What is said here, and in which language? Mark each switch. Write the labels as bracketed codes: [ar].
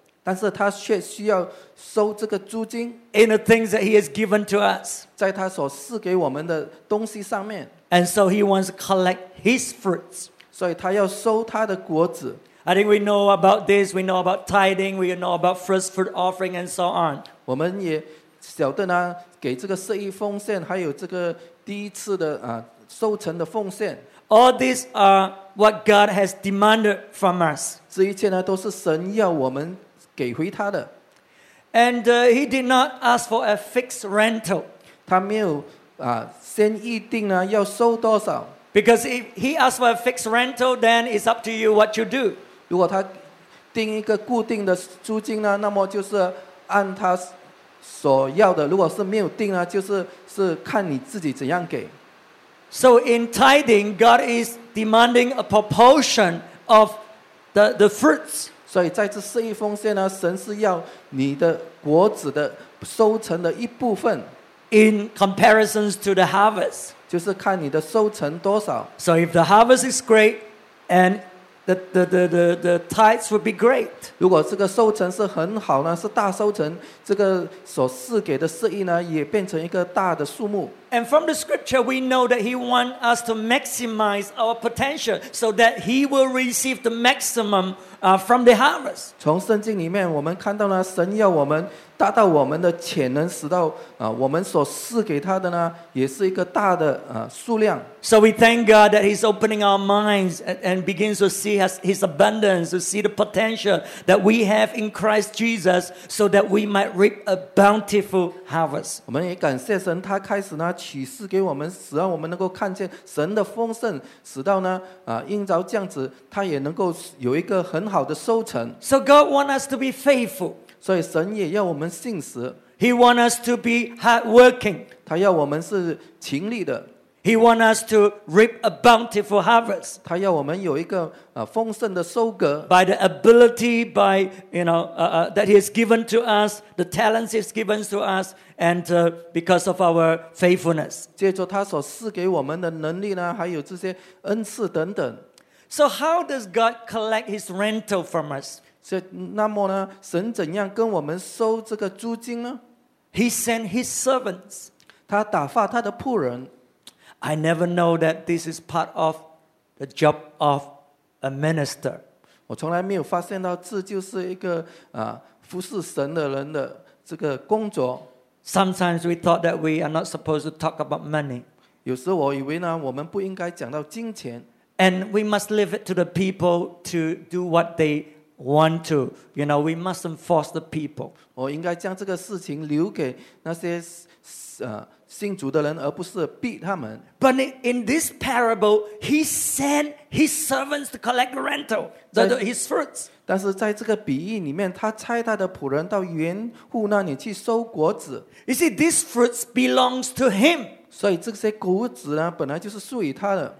[zh] 但是他却需要收这个租金。 [en] In the things that he has given to us. [zh] 在他所赐给我们的东西上面。 [en] And so he wants to collect his fruits. [zh] 所以他要收他的果子。 [en] I think we know about this. We know about tithing. We know about first fruit offering and so on. [zh] 我们也晓得呢，给这个十一奉献，还有这个第一次的收成的奉献。 [en] All these are what God has demanded from us. [zh] 这一切呢，都是神要我们给回他的。 [en] And he did not ask for a fixed rental. [zh] 他没有先预定呢，要收多少。 [en] Because if he asks for a fixed rental, then it's up to you what you do. [zh] 如果他定一个固定的租金呢，那么就是按他所要的。如果是没有定呢，就是看你自己怎样给。 [en] So in tithing, God is demanding a proportion of the fruits. [zh] 所以在这十一奉献呢，神是要你的果子的收成的一部分。 [en] In comparisons to the harvest. [zh] 就是看你的收成多少。 [en] So if the harvest is great, and the tithes would be great. [zh] 如果这个收成是很好呢，是大收成，这个所赐给的十一呢，也变成一个大的数目。 [en] And from the scripture, we know that he wants us to maximize our potential, so that he will receive the maximum from the harvest. [zh] 从圣经里面我们看到呢，神要我们达到我们的潜能，使到我们所赐给他的呢，也是一个大的数量。 [en] So we thank God that He's opening our minds and begins to see His abundance, to see the potential that we have in Christ Jesus, so that we might reap a bountiful harvest. [zh] 我们也感谢神，他开始呢启示给我们，使让我们能够看见神的丰盛，使到呢因着这样子，他也能够有一个很好的收成。 [en] So God wants us to be faithful. [zh] 所以神也要我们信实。 [en] He wants us to be hardworking. [zh] 他要我们是勤力的。 [en] He wants us to reap a bountiful harvest. [zh] 他要我们有一个丰盛的收割。 [en] By the ability, by you know, that He has given to us, the talents He has given to us, and because of our faithfulness. [zh] 借着他所赐给我们的能力呢，还有这些恩赐等等。 [en] So how does God collect His rental from us? [zh] 所以那么呢，神怎样跟我们收这个租金呢？ [en] He sent his servants. [zh] 他打发他的仆人。 [en] I never know that this is part of the job of a minister. [zh] 我从来没有发现到这就是一个服侍神的人的这个工作。 [en] Sometimes we thought that we are not supposed to talk about money. [zh] 有时我以为呢，我们不应该讲到金钱。 [en] And we must leave it to the people to do what they want to, you know, we mustn't force the people. [zh] 我应该将这个事情留给那些信主的人，而不是逼他们。 [en] But in this parable, he sent his servants to collect the rental, his fruits. [zh] 但是在这个比喻里面，他差他的仆人到园户那里去收果子。 [en] You see, these fruits belongs to him. [zh] 所以这些果子呢，本来就是属于他的。